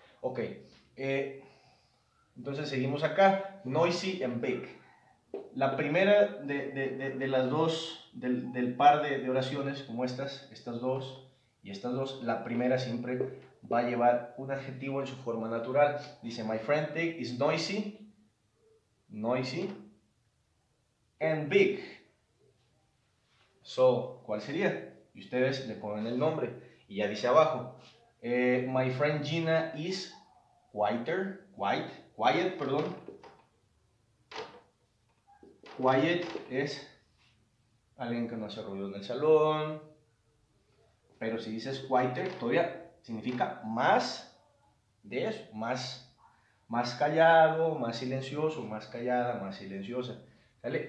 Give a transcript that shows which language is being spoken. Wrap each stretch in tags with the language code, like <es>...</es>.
<es>Ok, entonces seguimos acá.</es> <en>Noisy and big.</en> <es>La primera de las dos, del par de oraciones como estas dos, la primera siempre va a llevar un adjetivo en su forma natural. Dice,</es> <en>my friend Dick is noisy and big.</en> <es>So, ¿cuál sería? Y ustedes le ponen el nombre y ya dice abajo,</es> <en>my friend Gina is quiet</en> <es>es alguien que no hace ruido en el salón, pero si dices quieter, todavía significa más de eso, más callado, más silencioso, más callada, más silenciosa, ¿sale?</es>